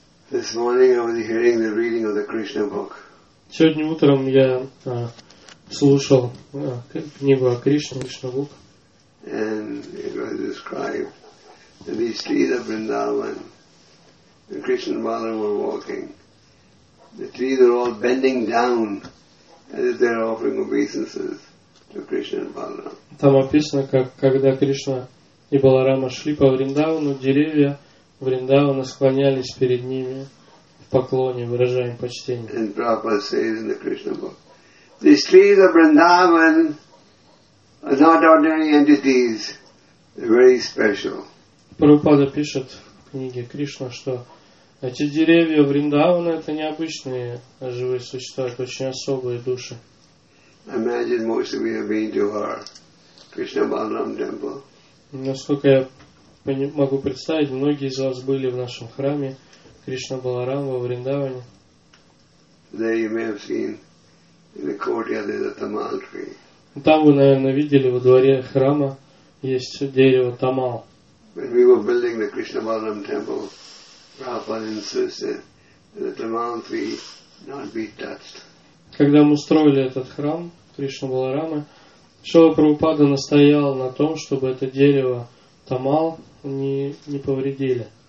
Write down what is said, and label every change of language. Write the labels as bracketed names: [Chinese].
[English] This morning I was hearing the reading of the Krishna book. [Russian] Сегодня утром я слушал книгу о Кришне, Кришнабук. Там описано, как когда Кришна и Баларама шли по Вриндавану, деревья Вриндавана склонялись перед ними. Поклоне, выражаем почтение. [English] And Prabhupada says in the Krishna book, these trees of Vrindavan are not ordinary entities, they're very special. [Russian] Prabhupada пишет в книге Кришна, что Эти деревья Вриндавана – это необычные живые существа, это очень особые души. [English] Imagine most of you have been to our Krishna Balaram temple. [Russian] Насколько я могу представить, многие из вас были в нашем храме Кришна Баларам во Вриндаване. [English] There you may have seen in the courtyard there's a tamal tree. [Russian] Там вы, наверное, видели во дворе храма есть дерево тамал. [English] When we were building the Krishna Balaram temple, Prabhupada insisted that the tamal tree not be touched. [Russian] Когда мы строили этот храм Кришна Баларамы, Шрила Прабхупада настоял на том, чтобы это дерево тамал не повредили.